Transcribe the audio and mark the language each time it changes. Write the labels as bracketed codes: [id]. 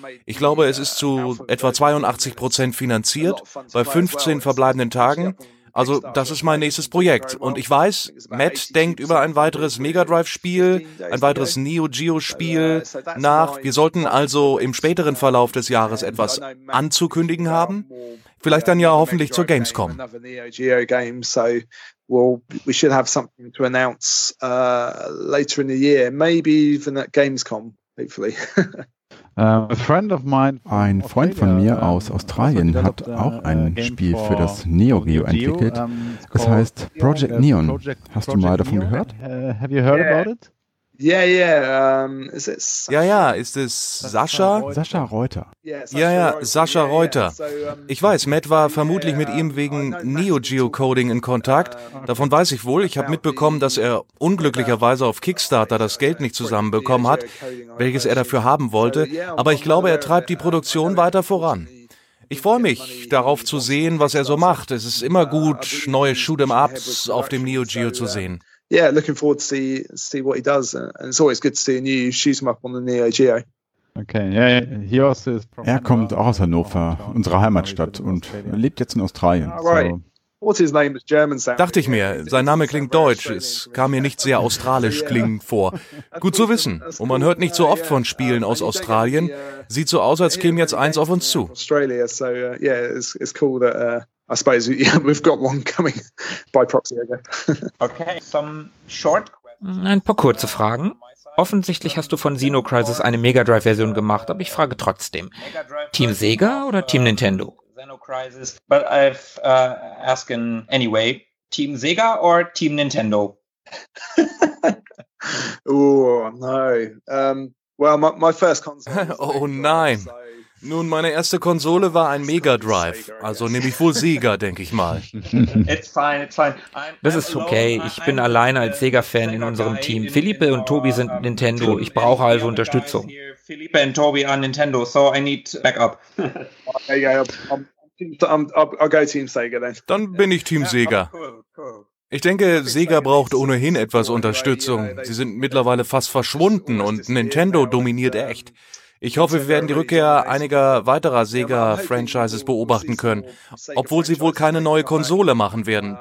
[de] Ich glaube, es ist zu etwa 82% finanziert, bei 15 verbleibenden Tagen. Also, das ist mein nächstes Projekt. Und ich weiß, Matt denkt über ein weiteres Mega Drive-Spiel, ein weiteres Neo Geo-Spiel nach. Wir sollten also im späteren Verlauf des Jahres etwas anzukündigen haben. Vielleicht dann ja hoffentlich zur Gamescom. [en] We should have something to announce later in the year, maybe even at Gamescom. Hopefully. [de] Ein Freund von mir aus Australien hat auch ein Spiel für das Neo Geo entwickelt. Es heißt Project Neon. Hast du mal davon gehört? [en] Have you heard about it? Yeah, yeah. Is it [de] Sascha? Ja, ja, ist es Sascha? Sascha Reuter. Ja, ja, Sascha Reuter. Ich weiß, Matt war vermutlich mit ihm wegen Neo Geo Coding in Kontakt. Davon weiß ich wohl. Ich habe mitbekommen, dass er unglücklicherweise auf Kickstarter das Geld nicht zusammenbekommen hat, welches er dafür haben wollte. Aber ich glaube, er treibt die Produktion weiter voran. Ich freue mich, darauf zu sehen, was er so macht. Es ist immer gut, neue Shoot'em-ups auf dem Neo Geo zu sehen. [en] Yeah, looking forward to see what he does. And it's always good to see a new shoot-em-up on the Neo Geo. Okay, yeah, he also is from [de] Er kommt auch aus Hannover, unserer Heimatstadt, und lebt jetzt in Australien. Dachte ich mir, sein Name klingt deutsch, es kam mir nicht sehr australisch klingend vor. Gut zu wissen. Und man hört nicht so oft von Spielen aus Australien. Sieht so aus, als käme jetzt eins auf uns zu. [en] Australia, so yeah, it's cool that... I suppose we've got one coming by proxy again. Okay, some short questions. [de] Ein paar kurze Fragen. Offensichtlich hast du von Xenocrisis eine Mega Drive Version gemacht, aber ich frage trotzdem. Team Sega oder Team Nintendo? [en] Xenocrisis, but I've asking anyway, Team Sega or Team Nintendo? Oh, no. Well, my first console. [de] Oh nein. Nun, meine erste Konsole war ein Mega Drive, also nehme ich wohl Sega, denke ich mal. [en] It's fine. [de] Das ist okay, ich bin alleine als Sega-Fan in unserem Team. Philippe und Tobi sind Nintendo, ich brauche also Unterstützung. [en] Philippe und Tobi are Nintendo, so I need backup. Okay, I'll go Team Sega then. [de] Dann bin ich Team Sega. Ich denke, Sega braucht ohnehin etwas Unterstützung. Sie sind mittlerweile fast verschwunden und Nintendo dominiert echt. Ich hoffe, wir werden die Rückkehr einiger weiterer Sega-Franchises beobachten können, obwohl sie wohl keine neue Konsole machen werden.